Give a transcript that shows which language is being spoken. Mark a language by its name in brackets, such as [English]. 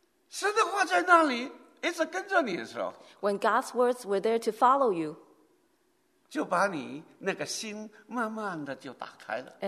[Chinese] 神的话在那里一直跟着你的时候 [English] when God's words were there to follow you, [Chinese] 就把你那个心慢慢的就打开了